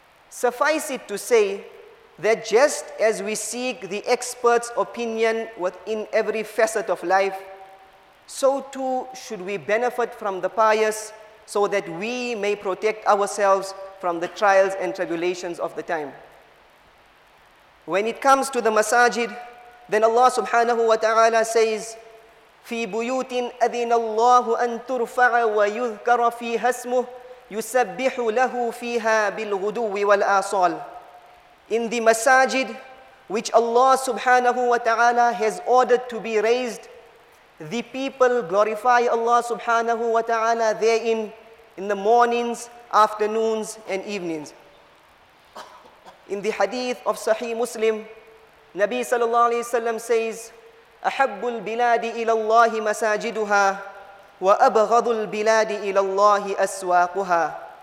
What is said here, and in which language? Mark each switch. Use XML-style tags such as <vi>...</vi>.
<en>Suffice it to say that just as we seek the expert's opinion within every facet of life, so too should we benefit from the pious so that we may protect ourselves from the trials and tribulations of the time. When it comes to the masajid, then Allah subhanahu wa ta'ala says,</en> <ar>في بيوت أذن الله أن ترفع ويذكر فيها اسمه يسبح له فيها بالغدو والآصال.</ar> <en>In the masajid which Allah subhanahu wa ta'ala has ordered to be raised, the people glorify Allah subhanahu wa ta'ala therein in the mornings, afternoons, and evenings. In the hadith of Sahih Muslim, Nabi sallallahu alayhi wa sallam says,</en> <ar>أَحَبُّ الْبِلَادِ إِلَى اللَّهِ مَسَاجِدُهَا وَأَبْغَضُ الْبِلَادِ إِلَى اللَّهِ أَسْوَاقُهَا.</ar>